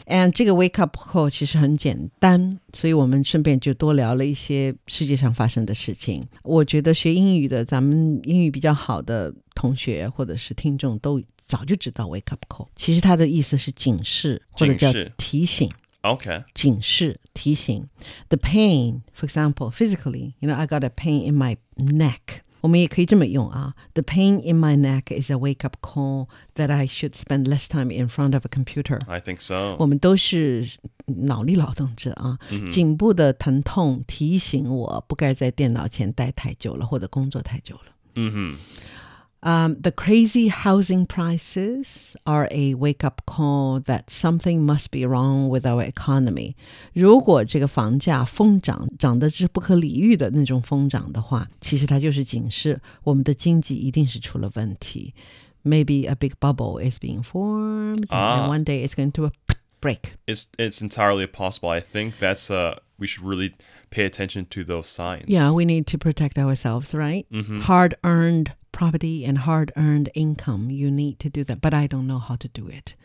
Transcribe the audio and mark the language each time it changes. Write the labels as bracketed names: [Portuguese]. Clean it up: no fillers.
[English] And this wake up call is very simple. So we have to talk about some of the things that have happened in the world. I think that the people who are learning English, our English is better, [Chinese] 同学或者是听众都早就知道 wake up call， 其实它的意思是警示或者叫提醒。 [English] OK， [Chinese] 警示提醒。 [English] The pain, for example, physically, you know, I got a pain in my neck. [Chinese] 我们也可以这么用啊。 [English] The pain in my neck is a wake up call that I should spend less time in front of a computer. I think so. [Chinese] 我们都是脑力劳动者啊。 Mm-hmm. 颈部的疼痛提醒我不该在电脑前待太久了，或者工作太久了。嗯哼。 [English] The crazy housing prices are a wake-up call that something must be wrong with our economy. [Chinese] 如果这个房价疯涨，涨得是不可理喻的那种疯涨的话，其实它就是警示我们的经济一定是出了问题。 [English] Maybe a big bubble is being formed, and one day it's going to break. It's entirely possible. I think that's we should really pay attention to those signs. Yeah, we need to protect ourselves, right? Mm-hmm. Hard-earned property and hard-earned income, you need to do that. But I don't know how to do it.